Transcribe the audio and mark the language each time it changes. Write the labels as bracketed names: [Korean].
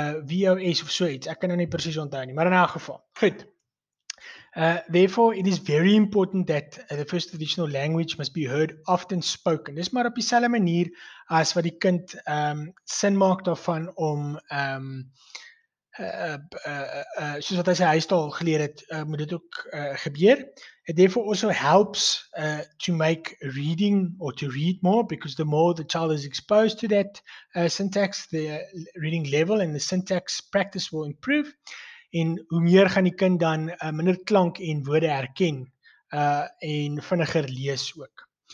[Afrikaans] VOS, of so iets. Ek kan nou nie presies onthou nie, maar in elk geval. Goed. [English] Therefore, it is very important that the first additional language must be heard, often spoken. [Afrikaans] Dis maar op dieselfde manier as wat die kind sin maak daarvan om, soos wat hy sy huistaal geleer het, moet dit ook gebeur. [English] It therefore also helps to make reading or to read more, because the more the child is exposed to that syntax, the reading level and the syntax practice will improve. [Afrikaans] En hoe meer gaan die kind dan minder klank en woorde herken en vinniger lees ook.